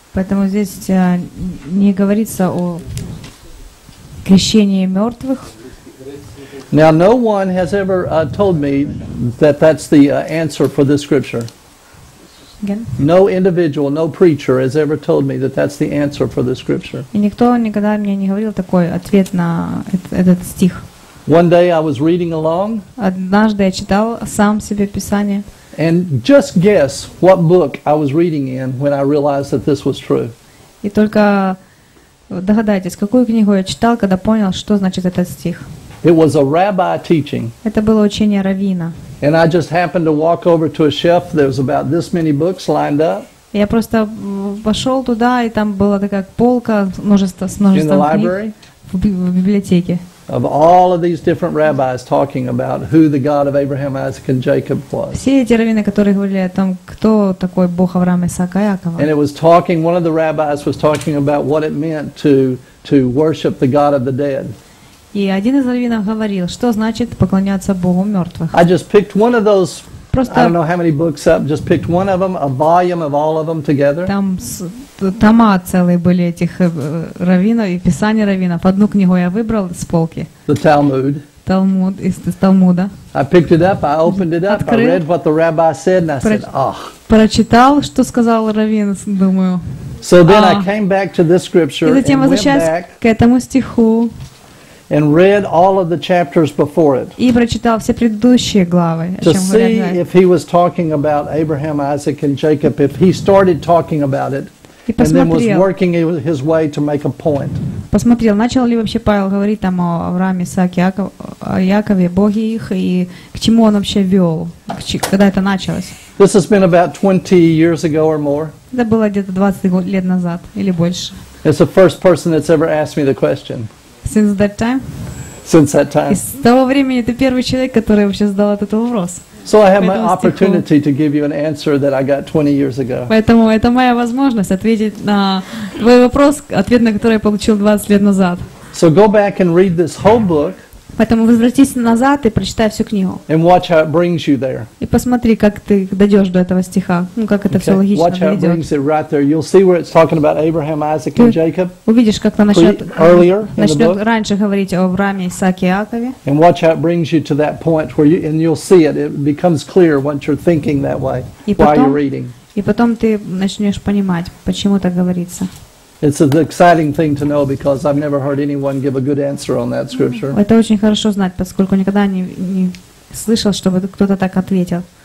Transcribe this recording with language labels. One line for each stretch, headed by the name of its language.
Russian: Поэтому здесь не говорится о крещении мертвых.
English: Now no one has ever told me that's the answer for this scripture. Again? No individual, no preacher has ever told me that that's the answer for the scripture.
Russian: И никто никогда мне не говорил такой ответ на этот стих.
English: One day I was reading along.
Russian: Однажды я читал сам себе Писание.
English: And just guess what book I was reading in when I realized that this was true.
Russian: И только догадайтесь, какую книгу я читал, когда понял, что значит этот стих.
English: It was a rabbi teaching.
Russian: Это было учение раввина.
English: And I just happened to walk over to a shelf. There was about this many books lined up.
Russian: Я просто вошел туда, и там была такая полка с множеством книг.
English: In the library.
Russian: В библиотеке.
English: Of all of these different rabbis talking about who the God of Abraham, Isaac, and Jacob was.
Russian: Все эти раввины, которые говорили о том, кто такой Бог Авраама, Исаака, Якова.
English: And it was talking. One of the rabbis was talking about what it meant to worship the God of the dead.
Russian: И один из раввинов говорил, что значит поклоняться Богу мертвых.
English: I just picked one of those.
Russian: Просто,
English: I don't know how many books up. Just picked one of them, a volume of all of them together.
Russian: Там тома целые были этих раввинов и писания раввинов. Одну книгу я выбрал с полки.
English: The Talmud.
Russian: Талмуд из Талмуда.
English: I picked it up. I opened it up.
Russian: Открыл,
English: I read what the rabbi said, and I said, "Ah."
Russian: Прочитал, что сказал раввин, думаю.
English: So then I came back to this scripture.
Russian: И затем возвращаюсь к этому стиху.
English: and read all of the chapters before it.
Russian: И прочитал все предыдущие главы.
English: To see if he was talking about Abraham, Isaac, and Jacob, if he started talking about it, and then was working his way to make a point.
Russian: Посмотрел, начал ли вообще Павел говорить там о Аврааме, Исааке, Якове, Боге их, и к чему он вообще вел, когда это началось.
English: This has been about 20 years ago or more.
Russian: Это было где-то 20 лет назад или больше.
English: It's the first person that's ever asked me the question. Since that time? Since that time.
Russian: С того времени это первый человек, который вообще задал этот вопрос.
English: So I have my opportunity to give you an answer that I got 20 years ago.
Russian: Поэтому это моя возможность ответить на твой вопрос, ответ на который я получил 20 лет назад.
English: So go back and read this whole book.
Russian: Поэтому возвратись назад и прочитай всю книгу.
English: And watch how it brings you there.
Russian: И посмотри, как ты дойдешь до этого стиха, ну как это все логично идет.
English: Watch how it brings it right there. You'll see where it's talking about Abraham, Isaac, and Jacob.
Russian: Увидишь, как начнет раньше говорить о Аврааме, Исааке, Иакове.
English: And watch how it brings you to that point where you and you'll see it. It becomes clear once you're thinking that way while you're reading.
Russian: И потом ты начнешь понимать, почему так говорится.
English: It's an exciting thing to know because I've never heard anyone give a good answer on that scripture.
Russian: Это очень хорошо знать, поскольку никогда не слышал, чтобы кто-то так ответил.